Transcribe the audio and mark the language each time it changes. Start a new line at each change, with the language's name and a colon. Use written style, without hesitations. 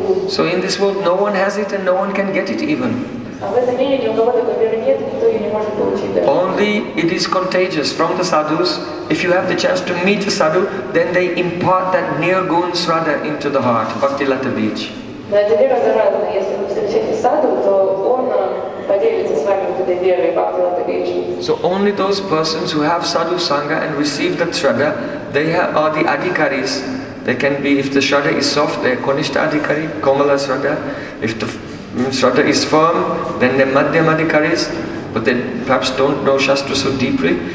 English: So in this world no one has it and no one can get it even. Only it is contagious from the sadhus. If you have the chance to meet a sadhu, then they impart that nirgun sraddha into the heart, bhakti lata beach.
Russian: Но это вера заразна. Если вы встречаете саду, то он поделится с вами этой верой.
English: So only those persons who have sadhu sangha and receive that shraddha, they are the adhikaris. They can be, if the shraddha is soft, they are konishta adhikari, komala shraddha. If the shraddha is firm, then they are madhyam adhikaris, but they perhaps don't know shastra so deeply.